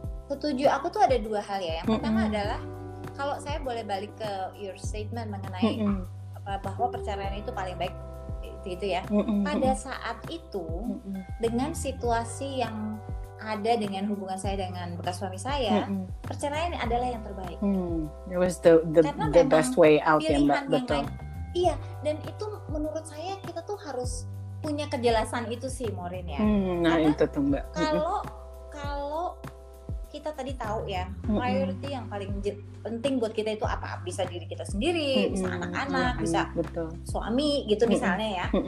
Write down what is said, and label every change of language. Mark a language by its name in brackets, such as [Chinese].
[Indonesian] Setuju. Aku tuh ada 2 hal ya, yang pertama adalah kalau saya boleh balik ke [English] your statement [Indonesian] mengenai bahwa perceraian itu paling baik, gitu ya. Pada saat itu, dengan situasi yang ada dengan hubungan saya dengan bekas suami saya, perceraian adalah yang terbaik. [English] It was the best way out, ya, Mbak. [Indonesian] Betul. Iya, dan itu menurut saya kita tuh harus punya kejelasan itu sih, Maureen, ya. Nah, karena itu tuh, Mbak. Kalau kita tadi tahu ya, priority yang paling penting buat kita itu apa? Bisa diri kita sendiri, bisa anak-anak, bisa suami gitu misalnya ya.